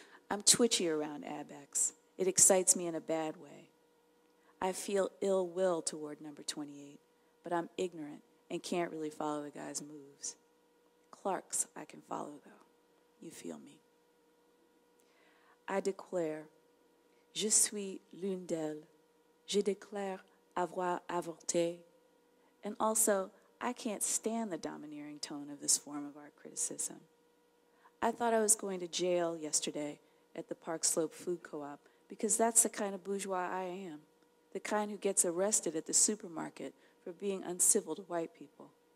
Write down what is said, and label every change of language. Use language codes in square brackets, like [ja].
[en] I'm twitchy around Abex. It excites me in a bad way. I feel ill will toward number 28, but I'm ignorant and can't really follow the guy's moves. Clark's I can follow, though. You feel me? I declare, [fr] je suis l'une d'elles. Je déclare avoir avorté. [en] And also, I can't stand the domineering tone of this form of art criticism. I thought I was going to jail yesterday at the Park Slope Food Co-op because that's the kind of bourgeois I am, the kind who gets arrested at the supermarket for being uncivil to white people.